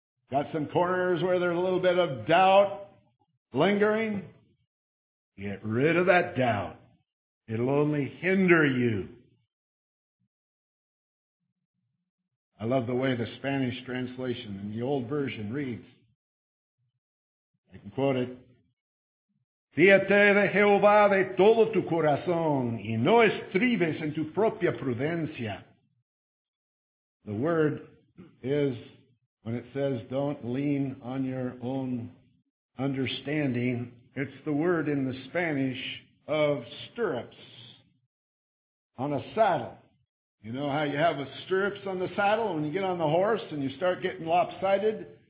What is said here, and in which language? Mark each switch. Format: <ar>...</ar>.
<en>Got some corners where there's a little bit of doubt lingering? Get rid of that doubt. It'll only hinder you. I love the way the Spanish translation in the old version reads. I can quote it.</en> <es>Fíate de Jehová de todo tu corazón y no estribes en tu propia prudencia.</es> <en>The word is, when it says don't lean on your own understanding, it's the word in the Spanish of stirrups on a saddle. You know how you have a stirrups on the saddle when you get on the horse and you start getting lopsided?</en>